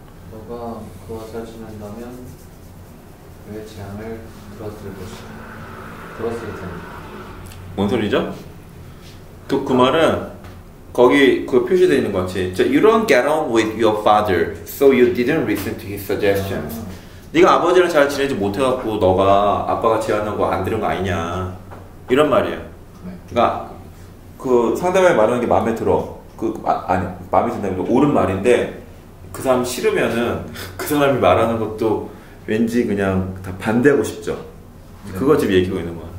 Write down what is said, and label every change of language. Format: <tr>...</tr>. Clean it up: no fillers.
<ko>너가 그와 잘 지낸다면 왜 제안을 들었을 것이 들었을 텐데. 뭔 소리죠? 그 말은 거기 그 표시되어 있는 것 같아.</ko> <en>저, you don't get on with your father, so you didn't listen to his suggestions.</en> <ko>네가 아버지랑 잘 지내지 못해갖고 너가 아빠가 제안한 거 안 들은 거 아니냐, 이런 말이야. 그러니까 그 상대방이 말하는 게 마음에 들어. 아니 마음에 든다는 게 옳은 말인데 그 사람 싫으면은 그 사람이 말하는 것도 왠지 그냥 다 반대하고 싶죠. 그거 지금 얘기하고 있는 거야.</ko>